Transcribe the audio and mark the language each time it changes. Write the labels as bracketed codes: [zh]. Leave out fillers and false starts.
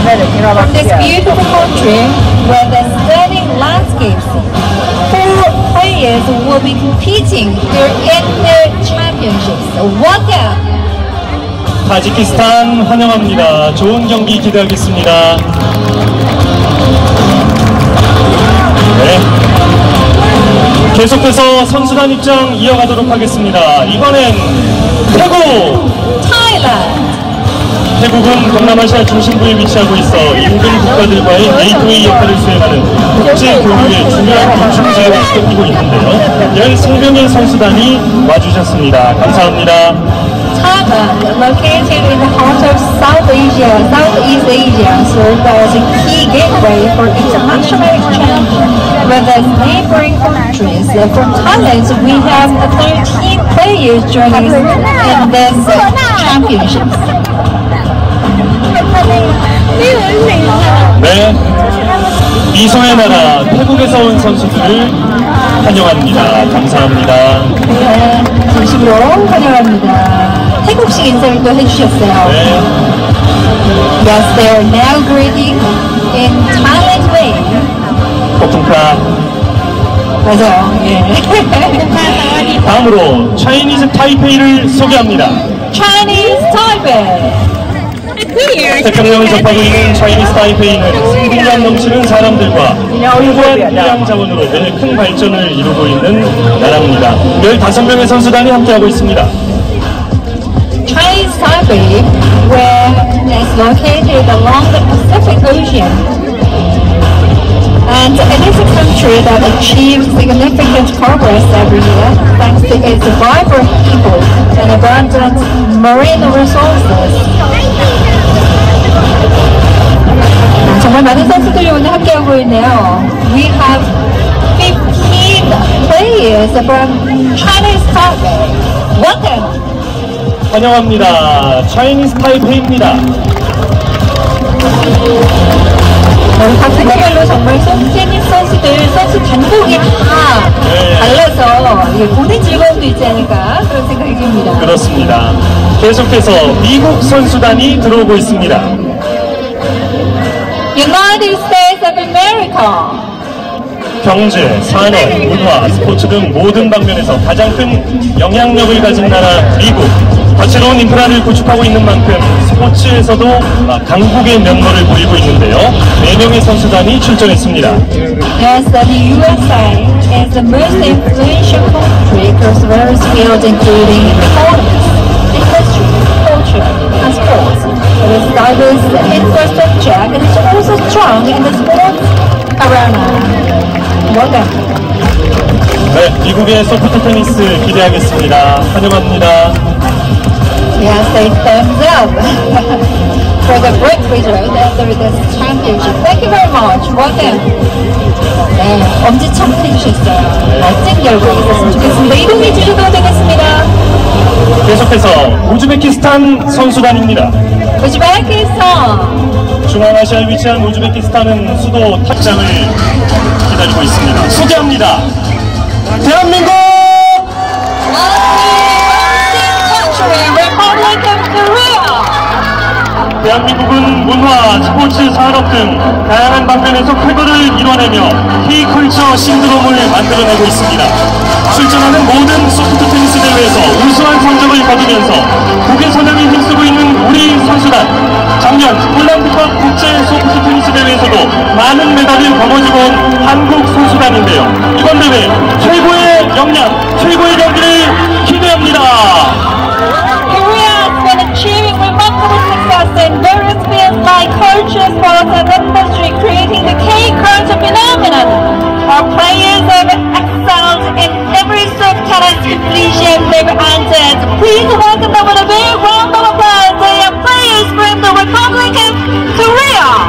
[en] From this beautiful country, where the stunning landscapes, four players will be competing in the championships. Welcome! [ko] 타지키스탄 환영합니다. 좋은 경기 기대하겠습니다. 네. 계속해서 선수단 입장 이어가도록 하겠습니다. 이번엔 태국! 태국은 동남아시아 중심부에 위치하고 있어 인근 국가들과의 네이트웨이 역할을 수행하는 국제 교류의 중요한 중심지가 되고 있는데요. 13명의 선수단이 와주셨습니다. 감사합니다. [en] Located in the heart of South Asia, Southeast Asia serves as a key gateway for international exchange with its neighboring countries. From Thailand, we have 13 players joining in this championship. [ko] 네, 미소의 나라 태국에서 온 선수들을 환영합니다. 감사합니다. 네, 진심으로 환영합니다. 태국식 인사를 또 해주셨어요. 네. [en] Yes, they are now greeting in Thailand way. 고풍카. [ko] 맞아요. 다음으로 Chinese Taipei를 소개합니다. [en] Chinese Taipei. [ko] 태평양을 접하고 있는 차이니스 타이페이는 풍량 넘치는 사람들과 풍부한 해양 자원으로 매일 큰 발전을 이루고 있는 나라입니다. 15명의 선수단이 함께하고 있습니다. [en] Chinese Taipei, where it is located along the Pacific Ocean, and it is a country that achieves significant progress every year thanks to its vibrant people and abundant marine resources. [ko] 정말 많은 선수들이 오늘 함께하고 있네요. [en] We have 15 players from Chinese Taipei. Welcome! [ko] 환영합니다. Chinese Taipei입니다. 각 세계별로 정말 테니스 선수들, 선수 단독이 다 달라서 보는 즐거움도 있지 않을까 그런 생각이 듭니다. 그렇습니다. 계속해서 미국 선수단이 들어오고 있습니다. [en] United States of America. [ko] 경제, 산업, 문화, 스포츠 등 모든 방면에서 가장 큰 영향력을 가진 나라 미국. 거치로운 인프라를 구축하고 있는 만큼 스포츠에서도 강국의 면모를 보이고 있는데요. 4명의 선수단이 출전했습니다. [en] Yes, the USA is the most influential country across various fields including performance, industry, culture, and sports. It has diverse infrastructure and is also strong in the sports arena. Welcome. [ko] 네, 미국의 소프트 테니스 기대하겠습니다. 환영합니다. [en] Yes, they thumbs up for the great result after this championship. Thank you very much. Welcome. [ko] 네, 엄지척 해주셨어요. 멋진 결과 있었으면 좋겠습니다. 이동 해주셔도 되겠습니다. 계속해서 우즈베키스탄 선수단입니다. 우즈베키스탄. 중앙아시아에 위치한 우즈베키스탄은 수도 타지장을 기다리고 있습니다. 소개합니다. 대한민국! [en] Republic of Korea! [ko] 대한민국은 문화, 스포츠, 산업 등 다양한 방면에서 쾌거를 이뤄내며 K-컬처 신드롬을 만들어내고 있습니다. 출전하는 모든 소프트 테니스 대회에서 우수한 성적을 거두면서 국외 선양에 힘쓰고 있는 우리 선수단. 작년 올림픽 국제 소프트 테니스 대회에서도 많은 메달을 거머쥐고 온 한국 선수단인데요. 이번 대회 최고의 역량, 최고의 경기를 기대합니다. [en] Korea has been achieving remarkable success in various fields like culture, sports, and industry, creating the K-culture phenomenon. Our players have excelled in every soft talent completion they've entered. Please welcome them with a big round of applause. They are players from the Republic of Korea.